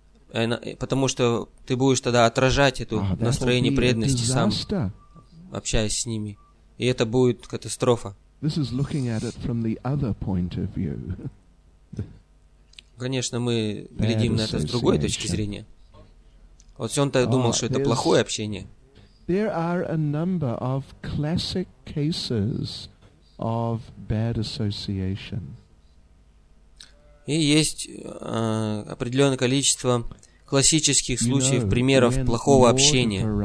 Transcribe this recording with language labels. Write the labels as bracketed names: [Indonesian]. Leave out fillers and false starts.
[Russian] Потому что ты будешь тогда отражать это настроение преданности сам, общаясь с ними. И это будет катастрофа. Конечно, мы глядим на это с другой точки зрения. Вот все он-то думал, что это плохое общение. [English] There are a number of classic cases of bad association. [Russian] И есть определенное количество классических случаев, примеров плохого общения.